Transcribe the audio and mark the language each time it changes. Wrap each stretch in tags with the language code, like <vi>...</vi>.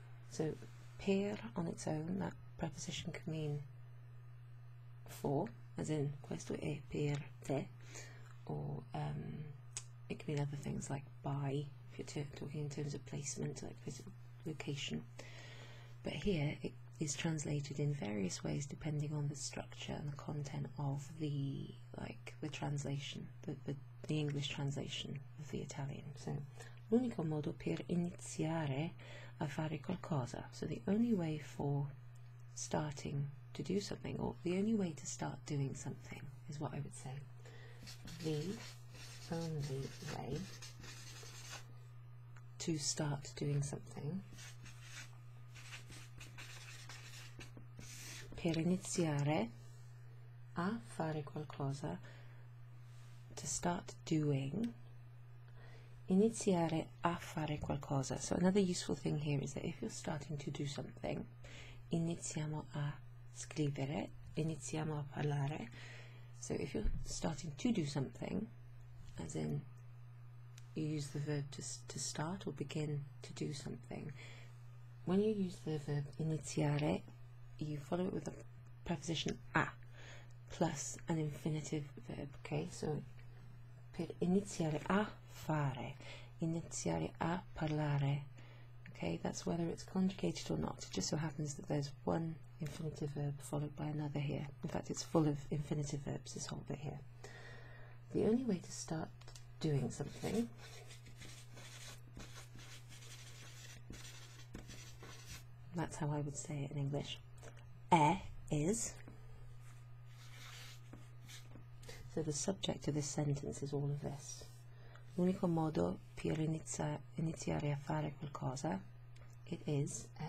<en>So, per on its own, that preposition can mean for, as in</en> <it>questo è per te,</it> <en>or it can mean other things like by, if you're talking in terms of placement, like location. But here, it is translated in various ways depending on the structure and the content of the, like, the translation, the English translation of the Italian.</en> <it>So, l'unico modo per iniziare a fare qualcosa.</it> <en>So, the only way for starting to do something, or the only way to start doing something, is what I would say. The only way to start doing something</en> <it>per iniziare a fare qualcosa,</it> <en>to start doing,</en> <it>iniziare a fare qualcosa.</it> <en>So another useful thing here is that if you're starting to do something,</en> <it>iniziamo a scrivere, iniziamo a parlare.</it> <en>So if you're starting to do something, as in you use the verb to start or begin to do something, when you use the verb iniziare, you follow it with a preposition a plus an infinitive verb, okay?</en> <it>So per iniziare a fare, iniziare a parlare, okay?</it> <en>That's whether it's conjugated or not. It just so happens that there's one infinitive verb followed by another here. In fact, it's full of infinitive verbs, this whole bit here. The only way to start doing something . That's how I would say it in English. Is. So the subject of this sentence is all of this.</en> <it>L'unico modo per iniziare a fare qualcosa,</it> <en>it is.</en>